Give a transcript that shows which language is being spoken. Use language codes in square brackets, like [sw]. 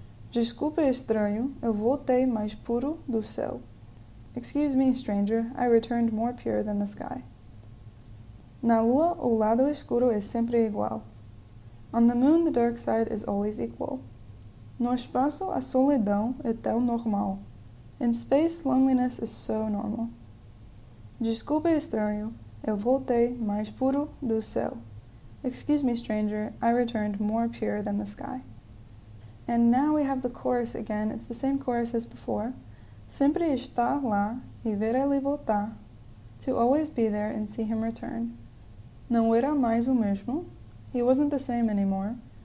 [pt] Desculpe, estranho, eu voltei mais puro do céu. [en] Excuse me, stranger, I returned more pure than the sky. [pt] Na lua, o lado escuro é sempre igual. [en] On the moon, the dark side is always equal. [pt] No espaço, a solidão é tão normal. [en] In space, loneliness is so normal. [pt] Desculpe, estranho, eu voltei mais puro do céu. [en] Excuse me, stranger, I returned more pure than the sky. And now we have the chorus again. It's the same chorus as before. [pt] Sempre está lá e ver ele voltar. [en] To always be there and see him return. [pt] Não era mais o mesmo. [en] He wasn't the same anymore.